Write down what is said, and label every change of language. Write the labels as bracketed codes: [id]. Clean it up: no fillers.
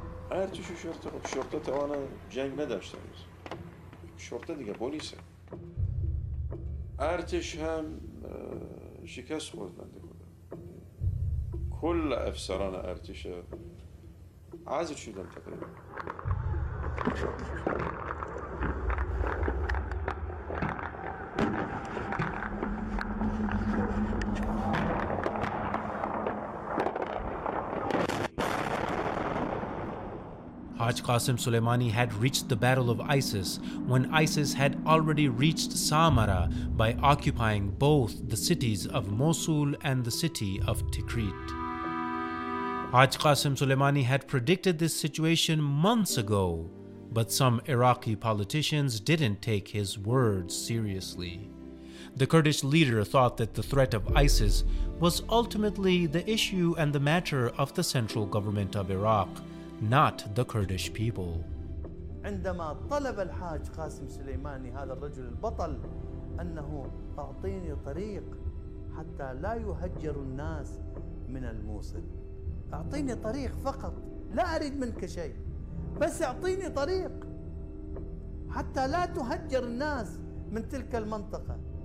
[fa] هرچی شو شرطه خب شرطه توانم جنگ نداشته بود شرطه دیگه پلیسه ارتش هم شکست خورد بنده خدا کل افسران ارتش عزل شدن تقریبا [en] Haj Qasim Soleimani had reached the Battle of ISIS when ISIS had already reached Samarra by occupying both the cities of Mosul and the city of Tikrit. Haj Qasim Soleimani had predicted this situation months ago, but some Iraqi politicians didn't take his words seriously. The Kurdish leader thought that the threat of ISIS was ultimately the issue and the matter of the central government of Iraq. Not the Kurdish people. [ar] عندما طلب الحاج قاسم سليماني هذا الرجل البطل أنه أعطيني طريق حتى لا يهجر الناس من الموصل. أعطيني طريق فقط. لا أريد منك شيء. بس أعطيني طريق حتى لا تهجر الناس من تلك المنطقة.